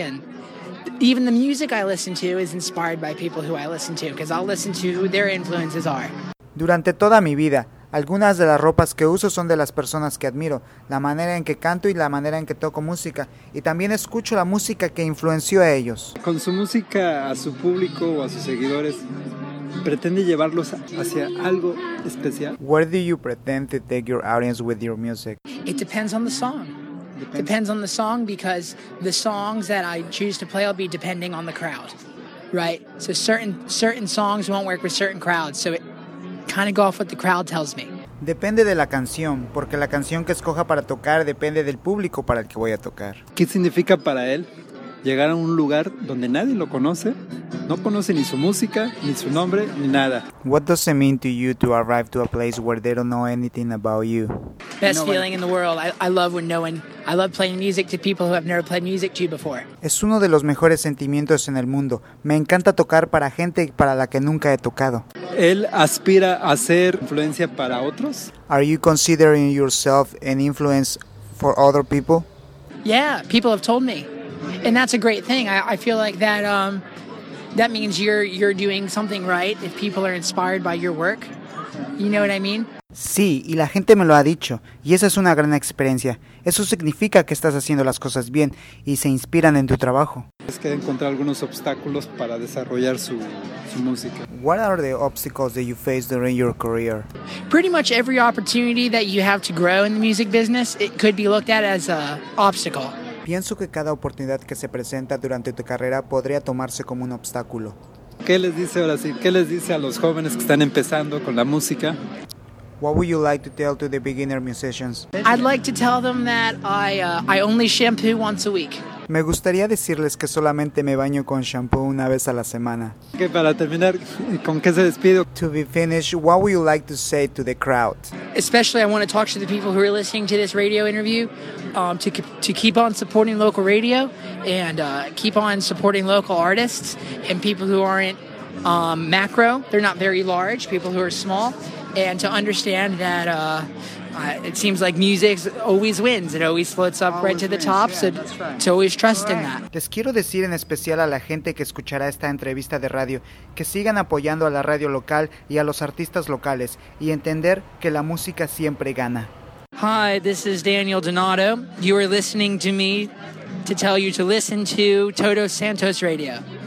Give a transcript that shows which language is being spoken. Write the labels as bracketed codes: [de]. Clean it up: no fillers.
[en] And even the music I listen to is inspired by people who I listen to, because I'll listen to who their influences are. [es] Durante toda mi vida, algunas de las ropas que uso son de las personas que admiro, la manera en que canto y la manera en que toco música, y también escucho la música que influenció a ellos. ¿Con su música a su público o a sus seguidores pretende llevarlos hacia algo especial? [en] Where do you pretend to take your audience with your music? It depends on the song. Depends on the song, because the songs that I choose to play will be depending on the crowd, right? So certain songs won't work with certain crowds, so it kind of go off what the crowd tells me. [es] Depende de la canción, porque la canción que escoja para tocar depende del público para el que voy a tocar. ¿Qué significa para él llegar a un lugar donde nadie lo conoce? No conoce ni su música, ni su nombre, ni nada. [en] What does it mean to you to arrive to a place where they don't know anything about you? Best feeling in the world. I love playing music to people who have never played music to you before. [es] Es uno de los mejores sentimientos en el mundo. Me encanta tocar para gente para la que nunca he tocado. ¿Él aspira a ser influencia para otros? [en] Are you considering yourself an influence for other people? Yeah, people have told me. And that's a great thing. I feel like that that means you're doing something right if people are inspired by your work. You know what I mean? [es] Sí, y la gente me lo ha dicho, y esa es una gran experiencia. Eso significa que estás haciendo las cosas bien y se inspiran en tu trabajo. Es que encontrar algunos obstáculos para desarrollar su música. [en] What are the obstacles that you face during your career? Pretty much every opportunity that you have to grow in the music business, it could be looked at as a obstacle. [es] Pienso que cada oportunidad que se presenta durante tu carrera podría tomarse como un obstáculo. ¿Qué les dice ahora sí? ¿Qué les dice a los jóvenes que están empezando con la música? [en] What would you like to tell to the beginner musicians? I'd like to tell them that I only shampoo once a week. [es] Me gustaría decirles que solamente me baño con shampoo una vez a la semana. Que para terminar, ¿con qué se despido? [en] To be finished, what would you like to say to the crowd? Especially I want to talk to the people who are listening to this radio interview, to keep on supporting local radio and keep on supporting local artists and people who aren't macro, they're not very large, people who are small, and to understand that it seems like music always wins, it always floats up right to the top, so to always trust in that. [es] Les quiero decir en especial a la gente que escuchará esta entrevista de radio que sigan apoyando a la radio local y a los artistas locales y entender que la música siempre gana. [en] Hi, this is Daniel Donato. You are listening to me to tell you to listen to Todo Santos Radio.